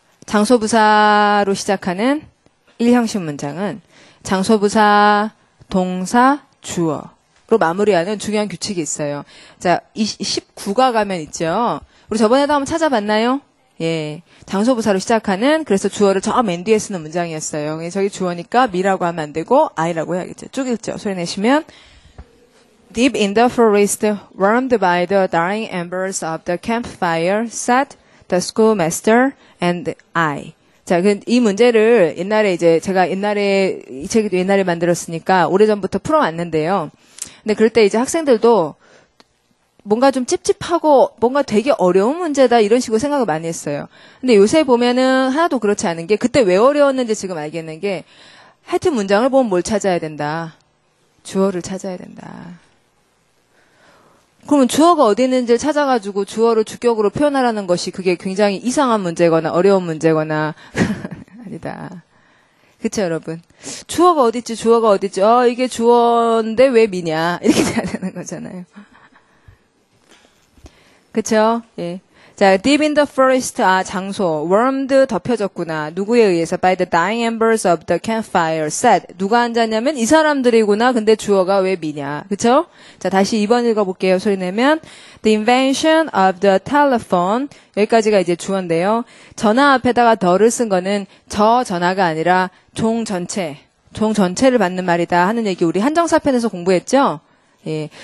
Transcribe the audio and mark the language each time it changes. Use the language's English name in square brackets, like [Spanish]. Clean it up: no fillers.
[Korean] 장소부사로 시작하는 1형식 문장은 장소부사, 동사, 주어로 마무리하는 중요한 규칙이 있어요. 자, 19가 가면 있죠. 우리 저번에도 한번 찾아봤나요? 예, 장소부사로 시작하는 그래서 주어를 저 맨 뒤에 쓰는 문장이었어요. 예, 저기 주어니까 me라고 하면 안 되고 I라고 해야겠죠. 쭉 읽죠. 소리 내시면 [English] Deep in the forest, warmed by the dying embers of the campfire, sat the schoolmaster and I. [Korean] 자, 이 문제를 옛날에 이제 제가 옛날에 이 책도 옛날에 만들었으니까 오래전부터 풀어왔는데요. 근데 그럴 때 이제 학생들도 뭔가 좀 찝찝하고 뭔가 되게 어려운 문제다 이런 식으로 생각을 많이 했어요. 근데 요새 보면은 하나도 그렇지 않은 게 그때 왜 어려웠는지 지금 알겠는 게 하여튼 문장을 보면 뭘 찾아야 된다. 주어를 찾아야 된다. 그러면 주어가 어디 있는지 찾아가지고 주어를 주격으로 표현하라는 것이 그게 굉장히 이상한 문제거나 어려운 문제거나 아니다. 그렇죠 여러분? 주어가 어디 있지? 주어가 어디 있지? 어, 이게 주어인데 왜 미냐? 이렇게 돼야 되는 거잖아요. 그렇죠? 예. 자, [English] deep in the forest, [Korean] 아, 장소. warmed, 덮여졌구나. 누구에 의해서? [English] by the dying embers of the campfire, set. [Korean] 누가 앉았냐면, 이 사람들이구나. 근데 주어가 왜 미냐. 그쵸? 자, 다시 2번 읽어볼게요. 소리 내면. [English] The invention of the telephone. [Korean] 여기까지가 이제 주어인데요. 전화 앞에다가 the를 쓴 거는 저 전화가 아니라 종 전체. 종 전체를 받는 말이다. 하는 얘기 우리 한정사편에서 공부했죠? 예.